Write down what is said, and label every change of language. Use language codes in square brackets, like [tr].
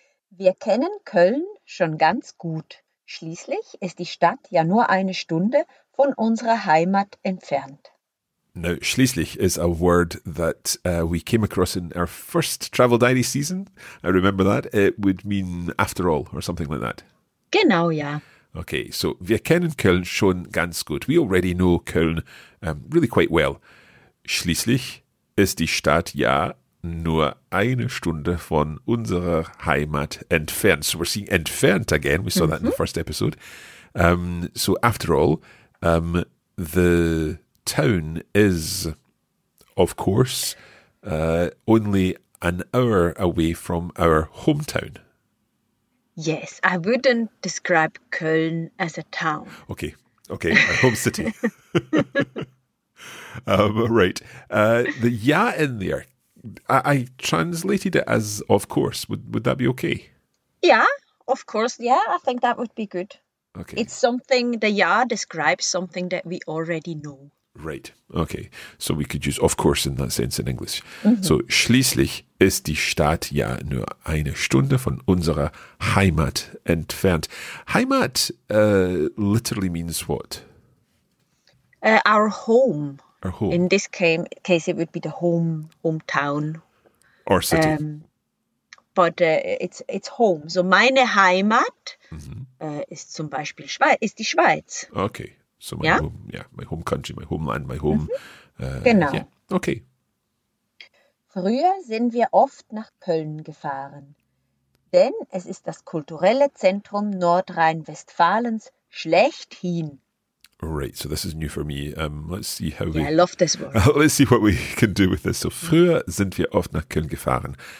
[de] Wir kennen Köln schon ganz gut. Schließlich ist die Stadt ja nur eine Stunde von unserer Heimat entfernt. [en] Now, schließlich is a word that we came across in our first travel diary season. I remember that. It would mean after all or something like that. [de] Genau, ja. [en] Okay, so [de] wir kennen Köln schon ganz gut. [en] We already know Köln really quite well. [de] Schließlich ist die Stadt ja nur eine Stunde von unserer Heimat entfernt. [en] So we're seeing entfernt again. We saw that in the first episode. So after all, the town is, of course, only an hour away from our hometown. Yes, I wouldn't describe Köln as a town. Okay, okay, a home city. right, the ja in there, I translated it as of course. Would that be okay? Yeah, of course, yeah, I think that would be good. Okay. It's something, the ja describes something that we already know. Right. Okay. So we could use of course in that sense in English. [de] So schließlich ist die Stadt ja nur eine Stunde von unserer Heimat entfernt. [en] Heimat literally means what? Our home. Our home. In this case it would be the hometown or city. It's home. [de] So meine Heimat ist zum Beispiel ist die Schweiz. [en] Okay. So my home, yeah, my home country, my homeland, my home. [de] Genau. [en] Yeah. Okay. [de] Früher sind wir oft nach Köln gefahren, denn es ist das kulturelle Zentrum Nordrhein-Westfalens schlechthin. [en] Right, so this is new for me. Let's see how I love this word. Let's see what we can do with this. [de] So früher sind wir oft nach Köln gefahren.